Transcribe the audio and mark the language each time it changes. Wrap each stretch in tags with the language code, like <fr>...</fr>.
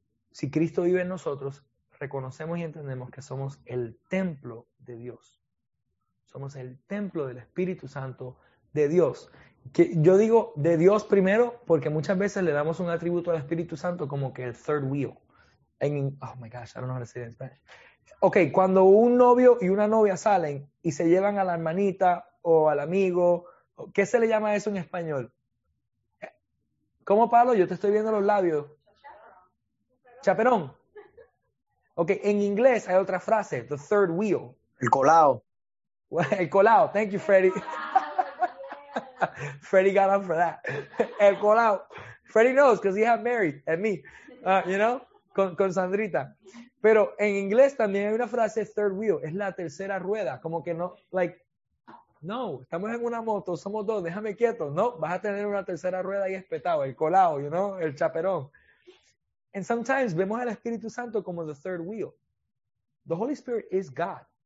<es>Si Cristo vive en nosotros, reconocemos y entendemos que somos el templo de Dios. Somos el templo del Espíritu Santo de Dios. Que yo digo de Dios primero porque muchas veces le damos un atributo al Espíritu Santo como que el third wheel.</es> <en>Oh my gosh, I don't know how to say it in Spanish.</en> <es>Ok, cuando un novio y una novia salen y se llevan a la hermanita o al amigo, ¿qué se le llama eso en español? ¿Cómo, Pablo? Yo te estoy viendo los labios. Chaperón. Ok, en inglés hay otra frase, the third wheel. El colado. El colado,</es> <en>thank you,</en> <es>Freddy.</es> <en>Freddy got on for that.</en> <es>El colado.</es> <en>Freddy knows because he had Mary and me, you know,</en> <es>con Sandrita. Pero en inglés también hay una frase, third wheel, es la tercera rueda, como que no, like, no, estamos en una moto, somos dos, déjame quieto. No, vas a tener una tercera rueda ahí espetado, el colado, you know, el chaperón.</es> <en>And sometimes</en> <es>vemos al Espíritu Santo como</es> <en>the third wheel. The Holy Spirit is God.</en>